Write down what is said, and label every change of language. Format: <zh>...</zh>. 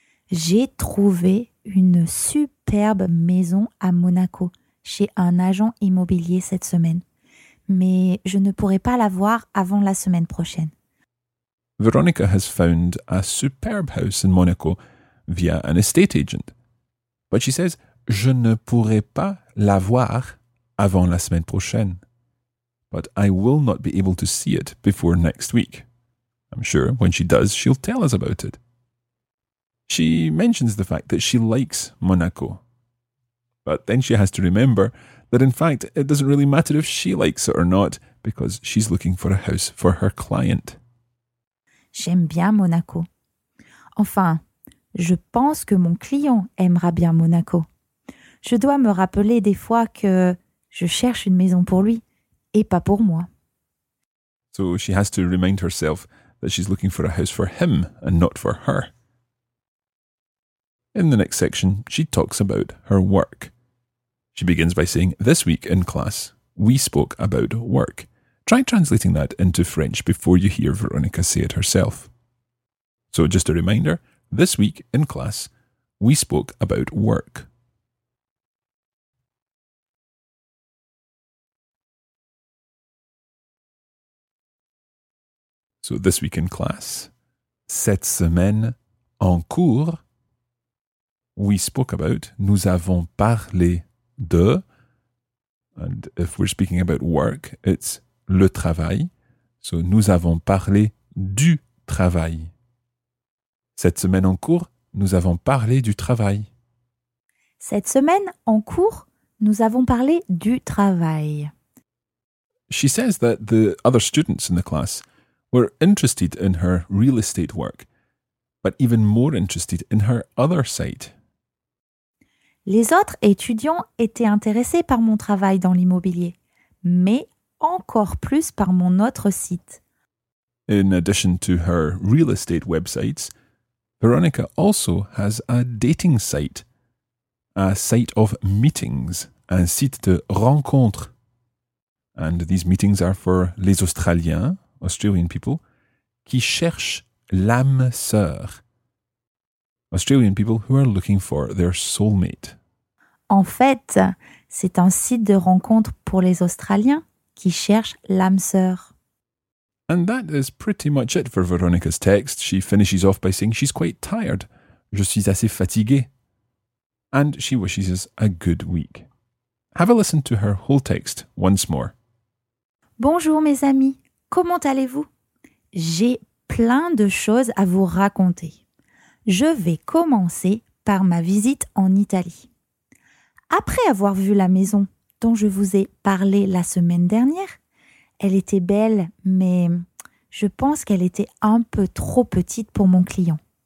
<fr>J'ai trouvé une superbe maison à Monaco chez un agent immobilier cette semaine. Mais je ne pourrai pas la voir avant la semaine prochaine.</fr> <en>Veronica has found a superbe house in Monaco via an estate agent. But she says,</en> <fr>je ne pourrai pas la voir avant la semaine prochaine.</fr> <en>But I will not be able to see it before next week. I'm sure when she does, she'll tell us about it. She mentions the fact that she likes Monaco. But then she has to remember that in fact, it doesn't really matter if she likes it or not, because she's looking for a house for her client.</en> <fr>J'aime bien Monaco. Enfin, je pense que mon client aimera bien Monaco. Je dois me rappeler des fois que je cherche une maison pour lui et pas pour moi.</fr> <en>So she has to remind herself that she's looking for a house for him and not for her. In the next section, she talks about her work. She begins by saying, this week in class, we spoke about work. Try translating that into French before you hear Veronica say it herself. So just a reminder, this week in class, we spoke about work. So this week in class,</en> <fr>cette semaine en cours,</fr> <en>we spoke about,</en> <fr>nous avons parlé de,</fr> <en>and if we're speaking about work, it's</en> <fr>le travail. So nous avons parlé du travail. Cette semaine en cours, nous avons parlé du travail. Cette semaine en cours, nous avons parlé du travail.</fr> <en>She says that the other students in the class were interested in her real estate work, but even more interested in her other site.</en> <fr>Les autres étudiants étaient intéressés par mon travail dans l'immobilier, mais encore plus par mon autre site.</fr> <en>In addition to her real estate websites, Veronica also has a dating site, a site of meetings,</en> <fr>un site de rencontres.</fr> <en>And these meetings are for</en> <fr>les Australiens,</fr> <en>Australian people,</en> <fr>qui cherchent l'âme sœur.</fr> <en>Australian people who are looking for their soulmate.</en> <fr>En fait, c'est un site de rencontre pour les Australiens qui cherchent l'âme sœur.</fr> <en>And that is pretty much it for Veronica's text. She finishes off by saying she's quite tired.</en> <fr>Je suis assez fatiguée.</fr> <en>And she wishes us a good week. Have a listen to her whole text once more.</en> <fr>Bonjour mes amis. Comment allez-vous? J'ai plein de choses à vous raconter. Je vais commencer par ma visite en Italie. après avoir vu la maison dont je vous ai parlé la semaine dernière. Elle était belle, mais je pense qu'elle était un peu trop petite pour mon client.</fr>